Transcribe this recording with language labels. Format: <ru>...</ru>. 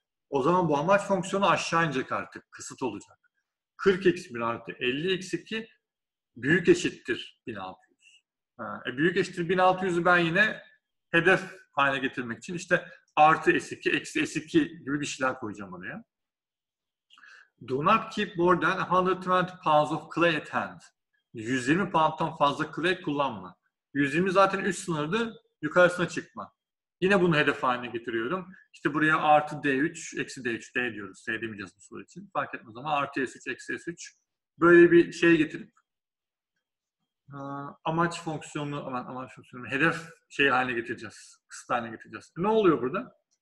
<tr>O zaman bu amaç fonksiyonu aşağı inecek artık. Kısıt olacak. 40x1 artı 50x2 büyük eşittir 1600. Ha, büyük eşittir 1600'ü ben yine hedef haline getirmek için işte artı S2, eksi S2 gibi bir şeyler koyacağım oraya.</tr> <en>Do not keep more than 120 pounds of clay at hand.</en> <tr>120 pound'tan fazla clay kullanma. 120 zaten üst sınırdı. Yukarısına çıkma. Yine bunu hedef haline getiriyorum. İşte buraya artı D3, eksi D3, D diyoruz. S demeyeceğiz bu soru için. Fark etmez ama artı S3, eksi S3. Böyle bir şey getirip amaç fonksiyonu, amaç fonksiyonu, hedef şeyi haline getireceğiz. Kısıt haline getireceğiz. Ne oluyor burada?</tr>